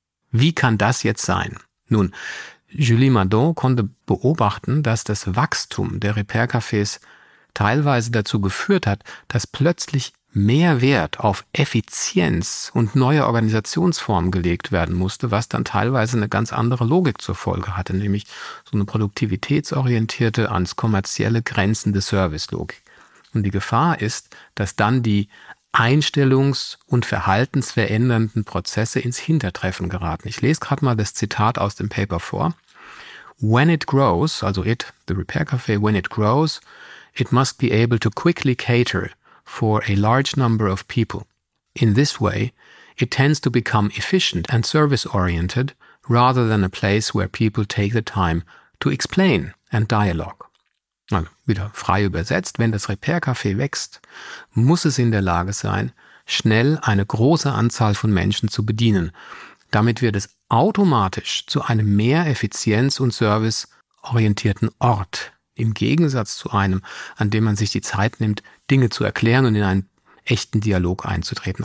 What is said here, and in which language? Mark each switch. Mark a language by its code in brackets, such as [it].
[de] Wie kann das jetzt sein? Nun, Julie Mandon konnte beobachten, dass das Wachstum der Repair-Cafés teilweise dazu geführt hat, dass plötzlich mehr Wert auf Effizienz und neue Organisationsformen gelegt werden musste, was dann teilweise eine ganz andere Logik zur Folge hatte, nämlich so eine produktivitätsorientierte, ans kommerzielle grenzende Service-Logik. Und die Gefahr ist, dass dann die einstellungs- und verhaltensverändernden Prozesse ins Hintertreffen geraten. Ich lese gerade mal das Zitat aus dem Paper vor. [en] When it grows, also it, the repair cafe, when it grows, it must be able to quickly cater for a large number of people. In this way, it tends to become efficient and service-oriented rather than a place where people take the time to explain and dialogue. [de] Also wieder frei übersetzt, wenn das Repair-Café wächst, muss es in der Lage sein, schnell eine große Anzahl von Menschen zu bedienen. Damit wird es automatisch zu einem mehr effizienz- und service-orientierten Ort, im Gegensatz zu einem, an dem man sich die Zeit nimmt, Dinge zu erklären und in einen echten Dialog einzutreten.